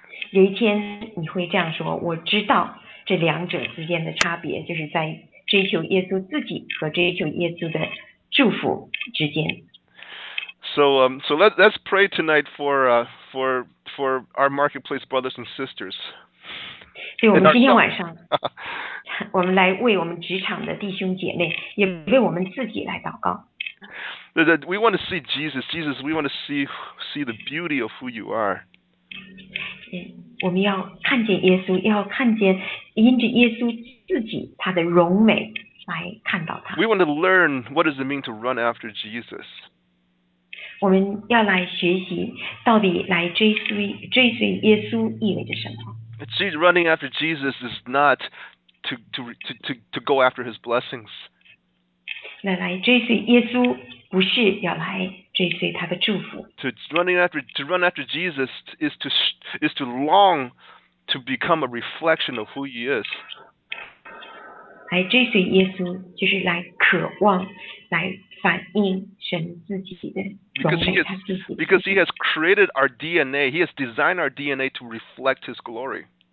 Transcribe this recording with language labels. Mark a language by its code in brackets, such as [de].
[zh] 有一天你会这样说，我知道这两者之间的差别，就是在追求耶稣自己和追求耶稣的祝福之间。 [en] So let's pray tonight for our marketplace brothers and sisters. [zh] 对，我们今天晚上，我们来为我们职场的弟兄姐妹，也为我们自己来祷告。 [en] That we want to see Jesus. We want to see the beauty of who you are. [zh] 我们要看见耶稣，要看见因着耶稣自己他的荣美来看到他。 [en] We want to learn what does it mean to run after Jesus. [zh] 我们要来学习，到底来追随耶稣意味着什么 [en] ？See, running after Jesus is not to go after His blessings. [zh] 来追随耶稣，不是要来追随他的祝福。 [en] To run after Jesus is to long to become a reflection of who He is. [zh] 来追随耶稣，就是来渴望来。 [en] Because he has created our DNA, he has designed our DNA to reflect his glory.